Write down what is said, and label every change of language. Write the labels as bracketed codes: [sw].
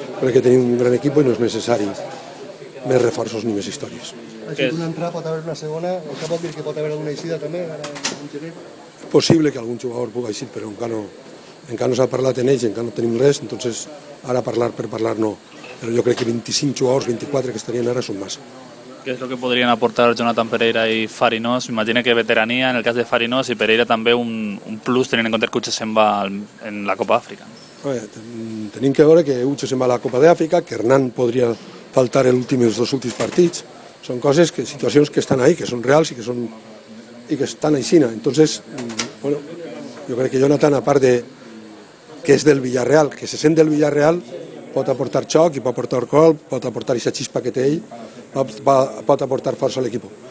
[ca] Perquè tenim un gran equip i no és necessari més reforços ni més històries. Així que una entrada pot haver una segona, o que pot dir que pot haver alguna eixida també? És possible que algun jugador pugui eixir, però encara no s'ha parlat en ells, encara no tenim res, entonces ara parlar per parlar no. Però jo crec que 25 jugadors, 24 que estarien ara són massa. [es] ¿Qué es lo que podrían aportar Jonathan Pereira y Farinós? Imagina que veteranía en el caso de Farinós y Pereira también un plus tener en cuenta que Hutchinson va en la Copa África. [ca] Tenim que veure que Hutchinson va a la Copa d'Àfrica, que Hernán podria faltar en els dos últims partits. Són coses, situacions que estan ahí, que són reals i que estan així. Entonces, bueno, jo crec que Jonathan, a part de que és del Villarreal, que se sent del Villarreal, pot aportar xoc i pot aportar gol, pot aportar aquesta xispa que té ell, pot aportar força a l'equip.